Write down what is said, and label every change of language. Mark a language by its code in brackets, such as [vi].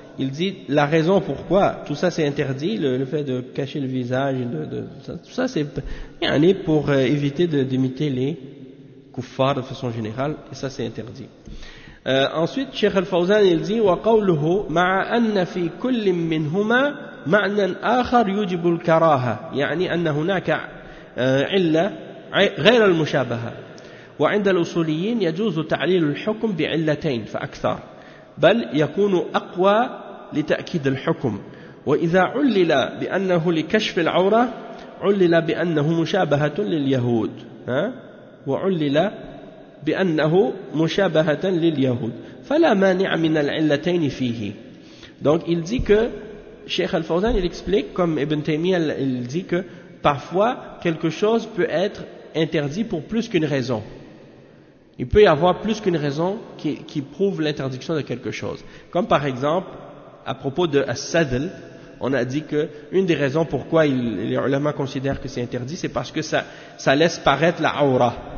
[fr] Il dit la raison pourquoi tout ça c'est interdit, le fait de cacher le visage, tout ça c'est pour éviter d'imiter les kuffars de façon générale, et ça c'est interdit. Ensuite, Cheikh Al-Fawzan il dit [ar] wa qawluhu ma'a anna fi kullin minhumā ma'nan akhar yujibu al-karaha, يعني ان هناك illa غير المشابهة. وعند الأصوليين يجوز تعليل الحكم بعلتين فأكثر، بل يكون أقوى لتأكيد الحكم. وإذا علل بأنه لكشف العورة علل بأنه مشابهة لليهود، وعلل بأنه مشابهة لليهود، فلا مانع من العلتين فيه. [fr] Donc il dit que Cheikh Al-Fawzan il explique comme Ibn Taymiyyah il dit que parfois quelque chose peut être interdit pour plus qu'une raison. Il peut y avoir plus qu'une raison qui prouve l'interdiction de quelque chose. Comme par exemple, à propos de As-Sadl, on a dit qu'une des raisons pourquoi les ulama considèrent que c'est interdit, c'est parce que ça laisse paraître la aura.